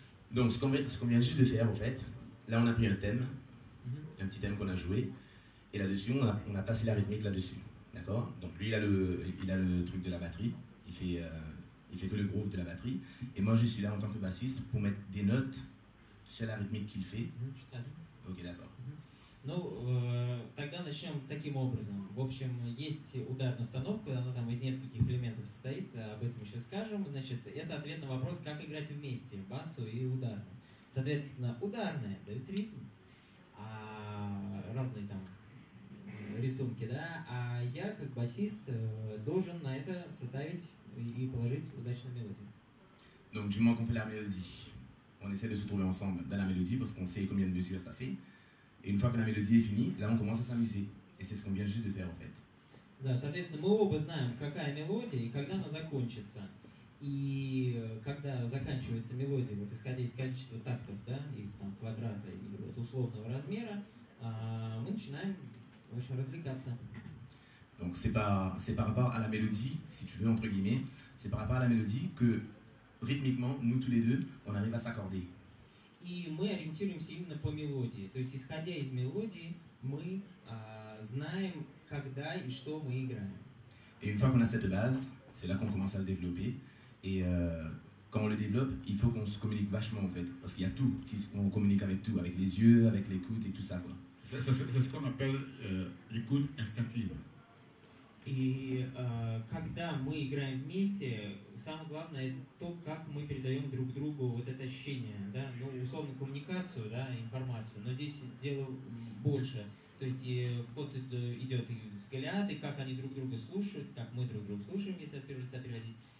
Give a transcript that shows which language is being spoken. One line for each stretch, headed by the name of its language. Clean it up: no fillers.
French: Donc ce qu'on vient juste de faire, en fait, là on a pris un thème, un petit thème qu'on a joué, et là-dessus on a passé la rythmique là-dessus, d'accord? Donc lui il a le truc de la batterie, il fait que le groove de la batterie, et moi je suis là en tant que bassiste pour mettre des notes sur la rythmique qu'il fait. Ok, d'accord.
Russian: Ну, тогда начнем таким образом. В общем, есть ударная установка, она там из нескольких элементов состоит, об этом еще скажем. Значит, это ответ на вопрос, как играть вместе, басу и ударную. Соответственно, ударная дает ритм, а разные там рисунки, да, а я, как басист, должен на это составить и положить удачную мелодию.
French: Donc, du moment qu'on fait la mélodie, on essaie de se trouver ensemble dans la mélodie, parce qu'on sait combien de mesures ça fait. Et une fois que la mélodie est finie, là on commence à s'amuser. Et c'est ce qu'on vient juste de faire en fait.
Russian: Да, соответственно, мы оба знаем, какая мелодия и когда она закончится. И когда заканчивается мелодия, вот исходя из количества тактов, да, и там квадрата, и вот условного размера, мы начинаем, в общем, развлекаться.
French: Donc c'est par rapport à la mélodie, si tu veux, entre guillemets, c'est par rapport à la mélodie que, rythmiquement, nous tous les deux, on arrive à s'accorder.
Russian: И мы ориентируемся именно по мелодии. То есть, исходя из мелодии, мы знаем, когда и что мы играем.
French: Et une fois qu'on a cette base, c'est là qu'on commence à le développer. Et quand on le développe, il faut qu'on se communique vachement, en fait. Parce qu'il y a tout, on communique avec tout, avec les yeux, avec l'écoute et tout ça, quoi. C'est ce qu'on appelle l'écoute instinctive.
Russian: И когда мы играем вместе, самое главное это то, как мы передаем друг другу вот это ощущение, да, ну, условно коммуникацию, да, информацию. Но здесь дело больше. То есть вот идет и взгляд, и как они друг друга слушают, как мы друг друга слушаем, если от первого лица переводить.